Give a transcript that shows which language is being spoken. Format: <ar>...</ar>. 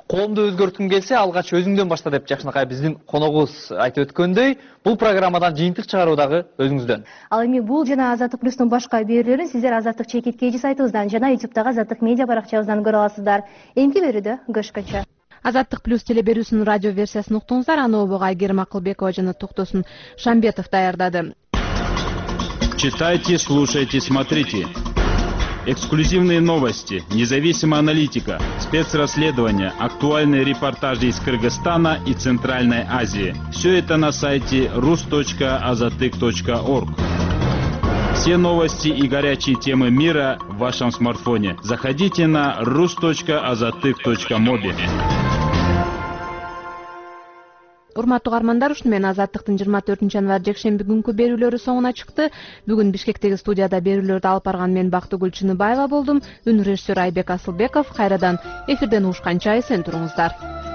<ky>Коомду өзгөртүүң келсе алгач өзүңдөн башта деп жакшынакай биздин коногубуз айтып өткөндөй, бул программадан жыйынтык чыгаруу дагы өзүңүздөн. Ал эми бул жана Азаттык плюстун башка берүүлөрүн сиздер Азаттык чекит кежи сайтыбыздан жана YouTube-дагы Азаттык медиа баракчабыздан көрө аласыздар. Эмки берүүдө көшкөчө. Азаттык плюс телеберүүсүнүн радио версиясын уктуңуздар. Аны обого Айгерим Акылбекова жана Токтосун Шамбетов даярдады.</ky> <ru>Читайте, слушайте, смотрите. Эксклюзивные новости, независимая аналитика, спецрасследования, актуальные репортажи из Кыргызстана и Центральной Азии. Все это на сайте rus.azatyk.org. Все новости и горячие темы мира в вашем смартфоне. Заходите на rus.azatyk.mobi.</ru> <ky>Урматтуу кагармандар, ушуну менен Азаттыктын 24-январ жекшемби күнкү берүүлөрү соңуна чыкты. Бүгүн Бишкектеги студияда берүүлөрдү алып барган мен Бактыгүл Чыныбаева болдум. Үн режиссер Айбек Асылбеков. Кайрадан эфирден ушканча эсен туруңуздар.</ky>